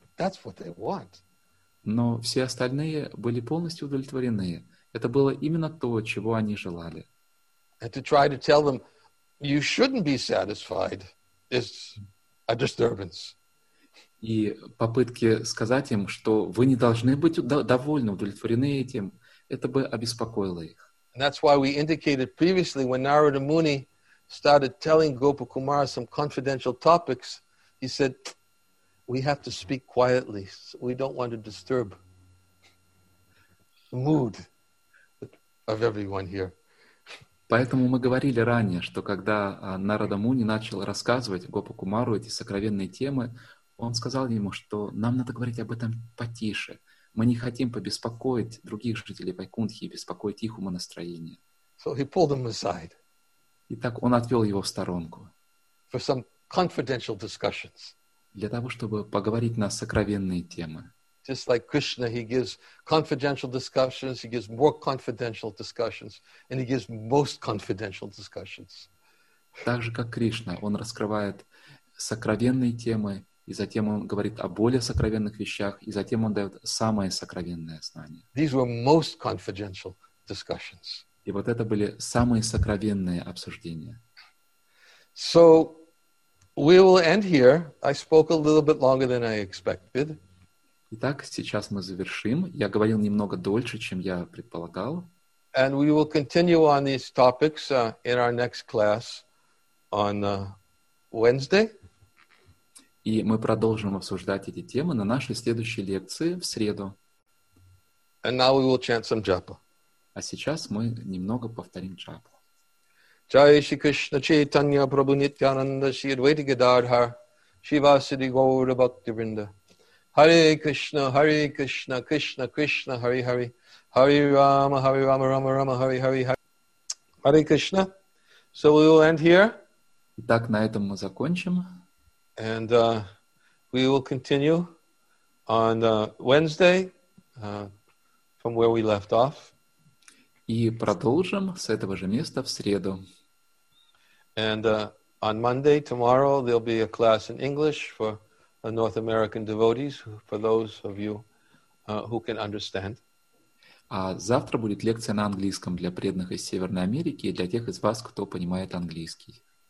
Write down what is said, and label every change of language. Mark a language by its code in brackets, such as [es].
[en] That's what they want. [ru] Но все остальные были полностью удовлетворены. Это было именно то, чего они желали. [en] And to try to tell them, you shouldn't be satisfied, is a disturbance. [ru] И попытки сказать им, что вы не должны быть довольны, удовлетворены этим, это бы обеспокоило их. [en] And that's why we indicated previously when Narada Muni started telling Gopakumara some confidential topics, he said, we have to speak quietly. We don't want to disturb the mood of everyone here. [ru] Поэтому мы говорили ранее, что когда Нарада Муни начал рассказывать Гопакумару эти сокровенные темы, он сказал ему, что нам надо говорить об этом потише. Мы не хотим побеспокоить других жителей Вайкунтхи и беспокоить их умонастроение. [en] So he pulled him aside. [ru] Итак, он отвел его в сторонку. [en] For some confidential discussions. [ru] Для того, чтобы поговорить на сокровенные темы. [en] Just like Krishna, he gives confidential discussions, he gives more confidential discussions, and he gives most confidential discussions. [ru] Так же, как Кришна, он раскрывает сокровенные темы, и затем он говорит о более сокровенных вещах, и затем он дает самое сокровенное знание. [en] These were most confidential discussions. [ru] И вот это были самые сокровенные обсуждения. [en] So, we will end here. I spoke a little bit longer than I expected. [ru] Итак, сейчас мы завершим. Я говорил немного дольше, чем я предполагал. [en] And we will continue on these topics in our next class on Wednesday. [ru] И мы продолжим обсуждать эти темы на нашей следующей лекции в среду. [en] And now we will chant some japa. [ru] А сейчас мы немного повторим джапу. [sa] Jai Shri Krishna Chaitanya Prabhu Nityananda Shri Advaita Gadadhar Shivasiddhi Gaura Bhakti Vrinda. Hare Krishna, Krishna Krishna, Hare Hare, Hare Rama, Rama Rama, Hare Hare, Hare Krishna. [en] So we will end here. [ru] Итак, на этом мы закончим. [en] And we will continue on Wednesday from where we left off. [ru] И продолжим с этого же места в среду. [en] And on Monday, tomorrow, there'll be a class in English for North American devotees, for those of you who can understand. [ru] А завтра будет лекция на английском для преданных из Северной Америки и для тех из вас, кто понимает английский.